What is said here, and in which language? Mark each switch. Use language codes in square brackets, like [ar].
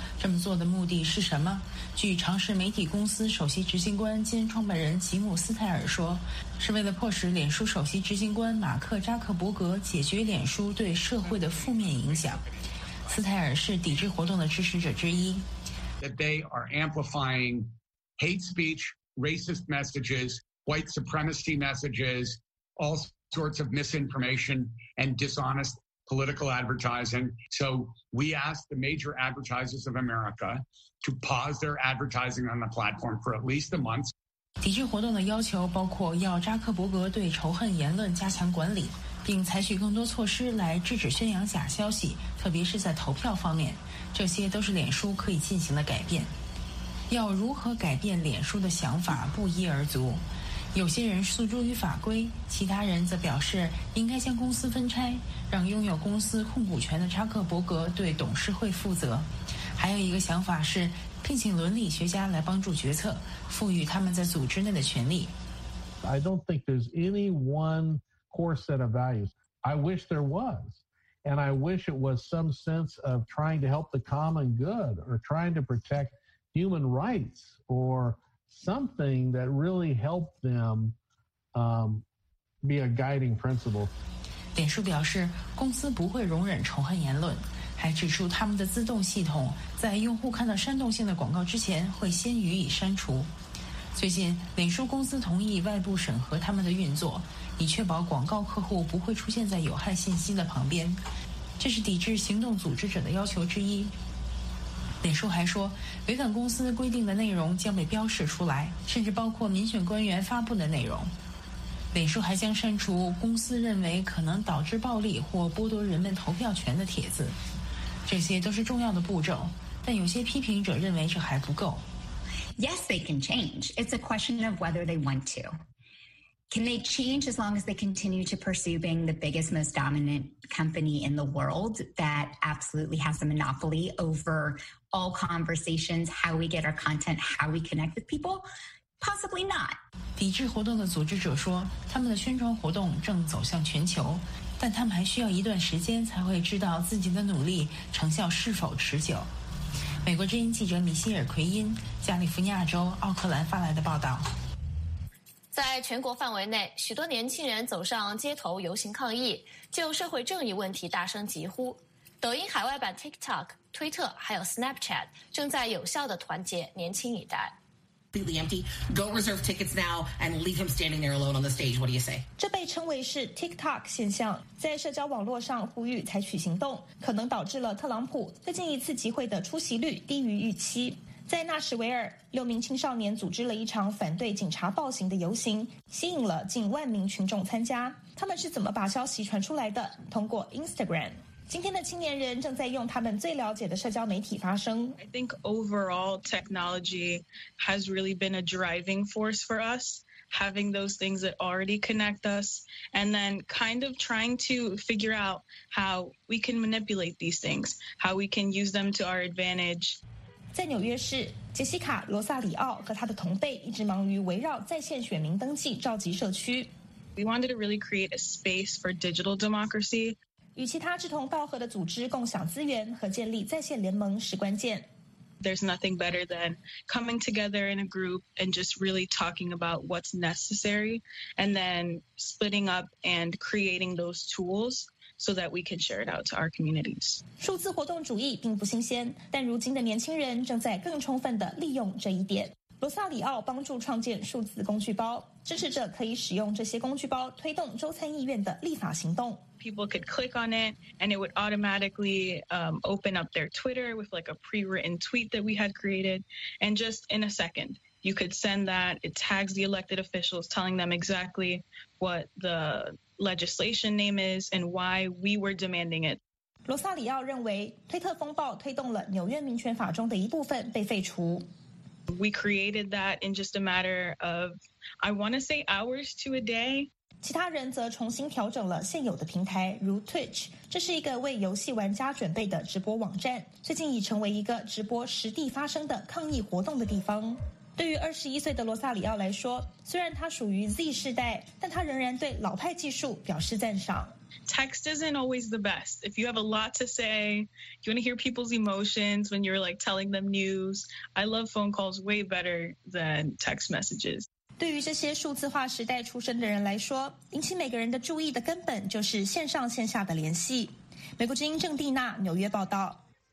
[zh] 这么做的目的是什么？据长实媒体公司首席执行官兼创办人吉姆斯泰尔说，是为了迫使脸书首席执行官马克扎克伯格解决脸书对社会的负面影响。斯泰尔是抵制活动的支持者之一。 [en] That they are amplifying hate speech, racist messages, white supremacy messages, all sorts of misinformation and dishonest political advertising. So we asked the major advertisers of America to pause their advertising on the platform for at least a month. [zh] 抵制活动的要求包括要扎克伯格对仇恨言论加强管理，并采取更多措施来制止宣扬假消息，特别是在投票方面。这些都是脸书可以进行的改变。要如何改变脸书的想法不一而足，有些人诉诸于法规，其他人则表示应该将公司分拆，让拥有公司控股权的扎克伯格对董事会负责。还有一个想法是聘请伦理学家来帮助决策，赋予他们在组织内的权利。 [en] I don't think there's any one core set of values. I wish there was. And I wish it was some sense of trying to help the common good or trying to protect human rights or something that really helped them be a guiding principle. [zh] 脸书表示公司不会容忍仇恨言论，还指出他们的自动系统在用户看到煽动性的广告之前会先予以删除。最近脸书公司同意外部审核他们的运作，以确保广告客户不会出现在有害信息的旁边，这是抵制行动组织者的要求之一。脸书还说违反公司规定的内容将被标示出来，甚至包括民选官员发布的内容。脸书还将删除公司认为可能导致暴力或剥夺人们投票权的帖子，这些都是重要的步骤，但有些批评者认为这还不够。 [en] Yes, they can change. It's a question of whether they want to. Can they change as long as they continue to pursue being the biggest, most dominant company in the world that absolutely has a monopoly over all conversations, how we get our content, how we connect with people? Possibly not. [zh] 抵制活动的组织者说，他们的宣传活动正走向全球，但他们还需要一段时间才会知道自己的努力成效是否持久。美国之音记者米歇尔·奎因，加利福尼亚州奥克兰发来的报道。在全国范围内，许多年轻人走上街头游行抗议，就社会正义问题大声疾呼。抖音海外版 TikTok、推特还有 Snapchat 正在有效地团结年轻一代。 [en] Go reserve tickets now and leave him standing there alone on the stage. What do you say? [zh] 这被称为是 TikTok 现象，在社交网络上呼吁采取行动，可能导致了特朗普最近一次集会的出席率低于预期。在纳什维尔，六名青少年组织了一场反对警察暴行的游行，吸引了近万名群众参加。他们是怎么把消息传出来的？通过 Instagram。今天的青年人正在用他们最了解的社交媒体发声。 [en] I think overall technology has really been a driving force for us, having those things that already connect us, and then kind of trying to figure out how we can manipulate these things, how we can use them to our advantage. [zh] 在纽约市，杰西卡·罗萨里奥和他的同辈一直忙于围绕在线选民登记召集社区。 [en] We wanted to really create a space for digital democracy. [zh] 与其他志同道合的组织共享资源和建立在线联盟是关键。 [en] There's nothing better than coming together in a group and just really talking about what's necessary and then splitting up and creating those tools so that we can share it out to our communities. [zh] 数字活动主义并不新鲜，但如今的年轻人正在更充分地利用这一点。罗萨里奥帮助创建数字工具包，支持者可以使用这些工具包推动州参议院的立法行动。 [en] People could click on it, and it would automatically open up their Twitter with like a pre-written tweet that we had created. And just in a second, you could send that. It tags the elected officials, telling them exactly what the legislation name is and why we were demanding it. [zh] 罗萨里奥认为，推特风暴推动了纽约民权法中的一部分被废除。 [en] We created that in just a matter of, I want to say hours to a day. [zh] 其他人则重新调整了现有的平台，如 Twitch， 这是一个为游戏玩家准备的直播网站，最近已成为一个直播实地发生的抗议活动的地方。对于21岁的罗萨里奥来说，虽然他属于 Z 世代，但他仍然对老派技术表示赞赏。 [en] text isn't always the best. If you have a lot to say, you want to hear people's emotions when you're like telling them news. I love phone calls way better than text messages. [zh] 对于这些数字化时代出生的人来说，引起每个人的注意的根本就是线上线下的联系。美国之音郑蒂娜，纽约报道。